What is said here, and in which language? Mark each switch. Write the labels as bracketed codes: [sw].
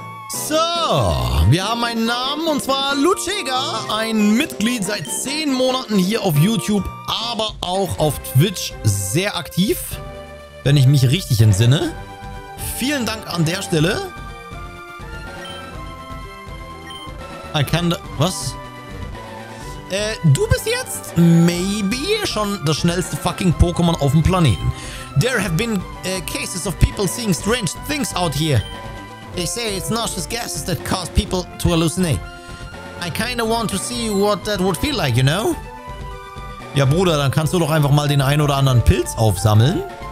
[de] So, wir haben einen Namen und zwar Lucega, ein Mitglied seit 10 Monaten hier auf YouTube, aber auch auf Twitch sehr aktiv, wenn ich mich richtig entsinne. Vielen Dank an der Stelle. [en] I can... [de] Was? Du bist jetzt maybe schon das schnellste fucking Pokémon auf dem Planeten. [en] There have been cases of people seeing strange things out here. They say it's noxious gases that cause people to hallucinate. I kinda want to see what that would feel like, you know? [de] Ja, Bruder, dann kannst du doch einfach mal den einen oder anderen Pilz aufsammeln.